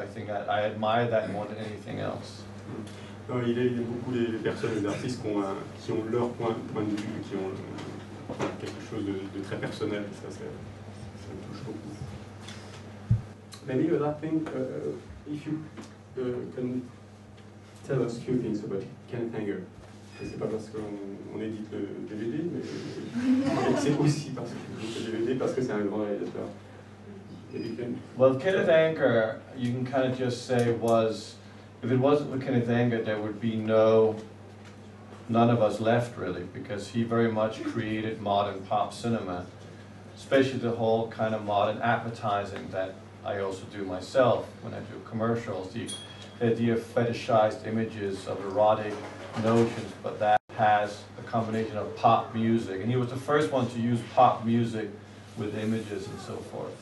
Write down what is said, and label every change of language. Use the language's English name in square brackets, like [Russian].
[English] I think I admire that more than anything else. [French] Non, il y a beaucoup de personnes, d'artistes qui ont leur point de vue, qui ont quelque chose de très personnel. Ça, ça me touche beaucoup. [English] Maybe you would think if you can tell us a few things about Kent Hanger. [French] Et c'est pas parce qu'on édite le DVD, mais c'est aussi parce que le DVD, parce que c'est un grand réalisateur. [English] Well, Kenneth Anger, you can kind of just say, was, if it wasn't for Kenneth Anger, there would be none of us left, really, because he very much created modern pop cinema, especially the whole kind of modern advertising that I also do myself when I do commercials, the idea of fetishized images of erotic notions, but that has a combination of pop music, and he was the first one to use pop music with images and so forth.